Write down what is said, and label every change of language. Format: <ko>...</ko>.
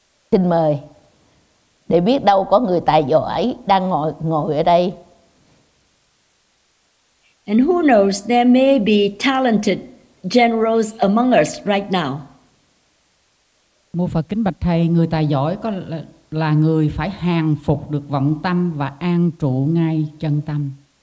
<vi>Xin mời, để biết đâu có người tài giỏi đang ngồi ở đây.</vi> <en>And who knows, there may be talented generals among us right now.</en> <vi>Mô Phật kính bạch thầy, người tài giỏi có là người phải hàng phục được vọng tâm và an trụ ngay chân tâm.</vi>